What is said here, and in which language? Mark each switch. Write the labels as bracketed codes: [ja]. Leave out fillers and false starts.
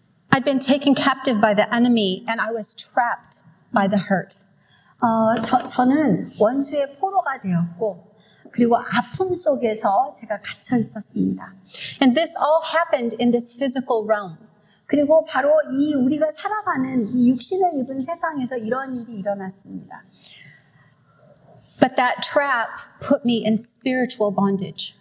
[en] I'd been taken captive by the enemy and I was trapped by the hurt. [ko] 저는 원수의 포로가 되었고 그리고 아픔 속에서 제가 갇혀 있었습니다. [en] And this all happened in this physical realm. [ko] 그리고 바로 이 우리가 살아가는 이 육신을 입은 세상에서 이런 일이 일어났습니다. [en] But that trap put me in spiritual bondage.